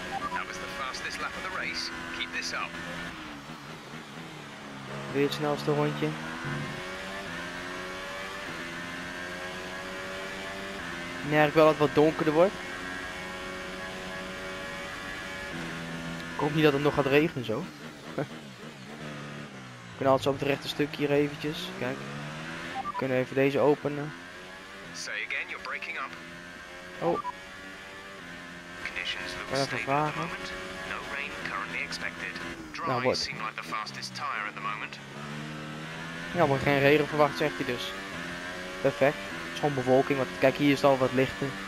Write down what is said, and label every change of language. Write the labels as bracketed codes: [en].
[en] That was the fastest lap of the race. Keep this up. [nl] Weer het snelste rondje. Merk wel dat het wat donkerder wordt. Ik hoop niet dat het nog gaat regenen zo. We kunnen altijd zo op het rechte stukje hier eventjes. Kijk. We kunnen even deze openen. [en] Say again, you're breaking up. Oh. Conditions look stable at the moment. No rain currently expected. Dry seem like the fastest tire at the moment. [nl] Ja, maar geen regen verwacht, zegt hij dus. Perfect. Schoon bewolking, want kijk, hier is het al wat lichter.